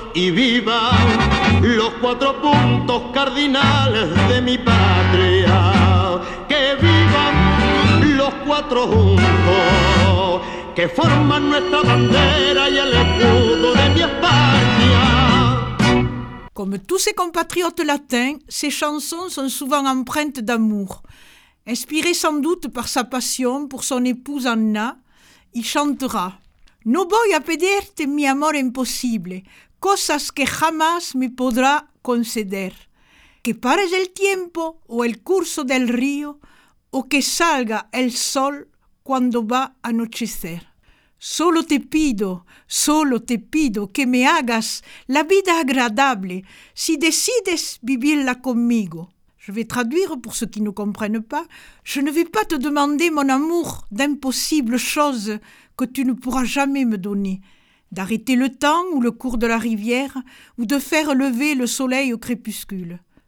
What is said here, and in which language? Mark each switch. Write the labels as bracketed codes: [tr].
[es] ¡Y viva los cuatro puntos cardinales de mi patria! ¡Que vivan cuatro juntos que forman nuestra bandera y el escudo de mi España! [fr] Comme tous ses compatriotes latins, ses chansons sont souvent empreintes d'amour. Inspiré sans doute par sa passion pour son épouse Anna, il chantera: [es] No voy a pedirte mi amor imposible, cosas que jamás me podrá conceder. Que pare el tiempo o el curso del río, o que salga el sol cuando va a anochecer. Solo te pido que me hagas la vida agradable si decides vivirla conmigo. [fr] Je vais traduire pour ceux qui ne comprennent pas. Je ne vais pas te demander mon amour d'impossibles choses que tu ne pourras jamais me donner. D'arrêter le temps ou le cours de la rivière ou de faire lever le soleil au crépuscule.